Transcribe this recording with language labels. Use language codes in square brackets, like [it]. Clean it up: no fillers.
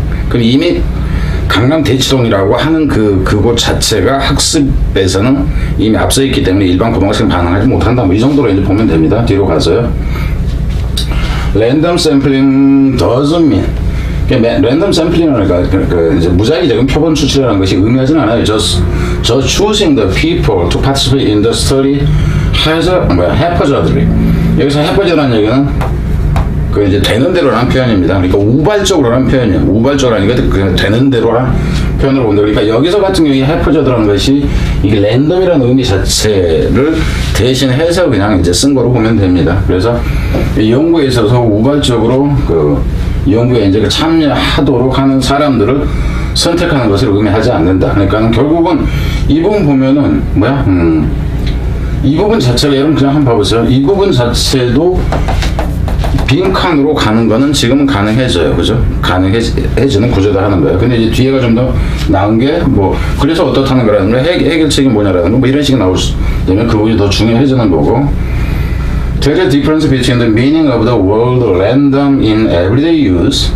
[ko] 그럼 이미 강남 대치동이라고 하는 그곳 자체가 학습에서는 이미 앞서 있기 때문에 일반 고등학생 반응하지 못한다. 뭐 이 정도로 이제 보면 됩니다. 뒤로 가서요. [en] Random sampling doesn't mean. [ko] 랜덤 샘플링을, 그러니까 이제 무작위적인 표본 추출이라는 것이 의미하진 않아요. [en] Just choosing the people to participate in the study has a, [ko] 뭐야, [en] haphazardly. [ko] 여기서 haphazard라는 얘기는 그 이제 되는 대로라는 표현입니다. 그러니까 우발적으로라는 표현이에요. 우발적이라는 게 그냥 되는 대로라는 표현으로 본다. 그러니까 여기서 같은 경우에 haphazard라는 것이 이게 랜덤이라는 의미 자체를 대신해서 그냥 이제 쓴 거로 보면 됩니다. 그래서 연구에 있어서 우발적으로 그 연구에 이제 참여하도록 하는 사람들을 선택하는 것을 의미하지 않는다. 그러니까 결국은 이 부분 보면은 뭐야? 이 부분 자체가, 여러분 그냥 한번 봐보세요. 이 부분 자체도 빈칸으로 가는 거는 지금은 가능해져요. 그죠? 가능해지는 구조다 하는 거예요. 근데 이제 뒤에가 좀 더 나은 게 뭐, 그래서 어떻다는 거라는 거, 해결책이 뭐냐라는 거, 뭐 이런 식이 나올 수 있으면 그 부분이 더 중요해지는 거고. [en] There is a difference between the meaning of the word random in everyday use.